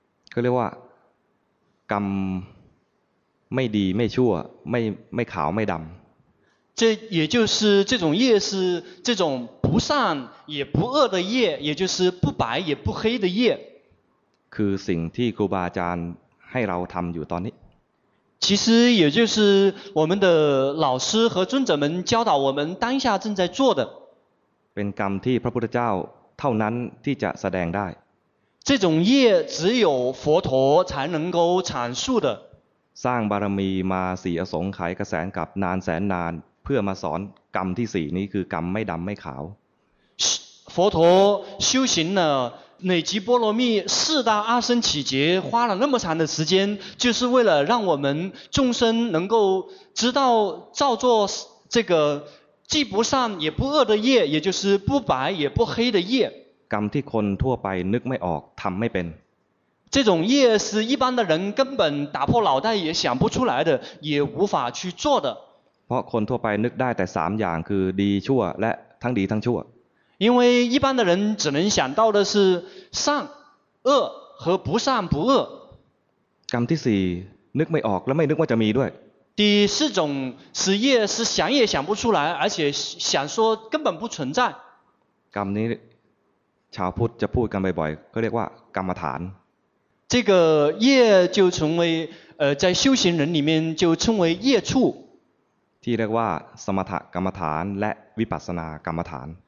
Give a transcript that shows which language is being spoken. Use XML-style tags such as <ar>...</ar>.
<th>เขาเรียกว่ากรรมไม่ดีไม่ชั่วไม่ขาวไม่ดำ</th> <zh>这也就是这种业是这种不善也不恶的业也就是不白也不黑的业</zh> <th>คือสิ่งที่ครูบาอาจารย์ให้เราทำอยู่ตอนนี้</th> <zh>其实也就是我们的老师和尊者们教导我们当下正在做的</zh> <th>เป็นกรรมที่พระพุทธเจ้าเท่านั้นที่จะแสดงได้</th> <zh>这种业只有佛陀才能够阐述的</zh> <th>สร้างบารมีมาสี่อสงไขยกระแสนกับนานแสนนานเพื่อมาสอนกรรมที่สี่นี้คือกรรมไม่ดำไม่ขาว</th> <zh>佛陀修行了累积波罗蜜四大阿僧祇劫花了那么长的时间就是为了让我们众生能够知道造作这个既不善也不恶的业也就是不白也不黑的业</zh> <th>กรรมที่คนทั่วไปนึกไม่ออกทำไม่เป็น</th> <zh>这种业是一般的人根本打破脑袋也想不出来的也无法去做的</zh> <th>เพราะคนทั่วไปนึกได้แต่สามอย่างคือดีชั่วและทั้งดีทั้งชั่ว</th> <zh>因为一般的人只能想到的是善恶和不善不恶</zh> <th>กรรมที่สี่นึกไม่ออกและไม่นึกว่าจะมีด้วย</th> <zh>第四种是业是想也想不出来而且想说根本不存在</zh> <th>กรรมนี้ชาวพุทธจะพูดกันบ่อยๆก็เรียกว่ากรรมฐาน</th> <zh>这个业就成为在修行人里面就称为业处</zh> <th>ที่เรียกว่าสมถกรรมฐานและวิปัสสนากรรมฐาน</th>